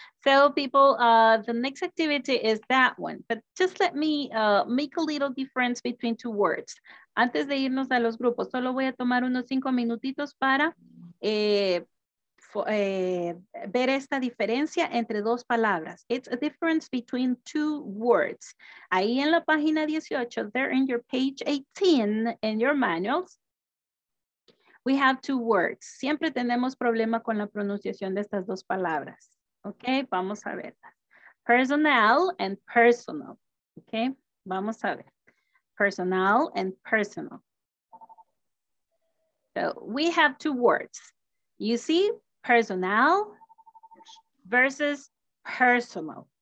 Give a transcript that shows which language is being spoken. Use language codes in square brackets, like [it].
[en] So people, the next activity is that one, but just let me make a little difference between two words. [es] Antes de irnos a los grupos, solo voy a tomar unos 5 minutitos para ver esta diferencia entre dos palabras. [en] It's a difference between two words. [es] Ahí en la página 18, [en] there in your page 18 in your manuals, we have two words. [es] Siempre tenemos problema con la pronunciación de estas dos palabras. Ok, vamos a ver. Personnel and personal. Ok, vamos a ver. Personnel and personal. [en] So, we have two words. You see, personnel versus personal.